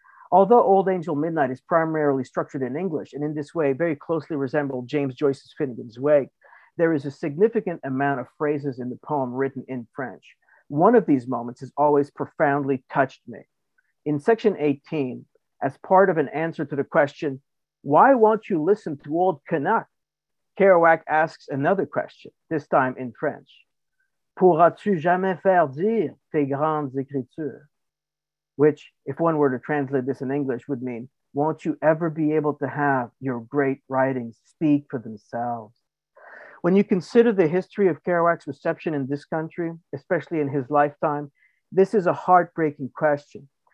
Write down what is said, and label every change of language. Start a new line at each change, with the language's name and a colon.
English: Although Old Angel Midnight is primarily structured in English, and in this way very closely resembled James Joyce's Finnegan's Wake, there is a significant amount of phrases in the poem written in French. One of these moments has always profoundly touched me. In section 18, as part of an answer to the question, "Why won't you listen to old Canuck?" Kerouac asks another question, this time in French.
French: "Pourras-tu jamais faire dire tes grandes écritures?"
English: Which, if one were to translate this in English, would mean, "Won't you ever be able to have your great writings speak for themselves?" When you consider the history of Kerouac's reception in this country, especially in his lifetime, this is a heartbreaking question.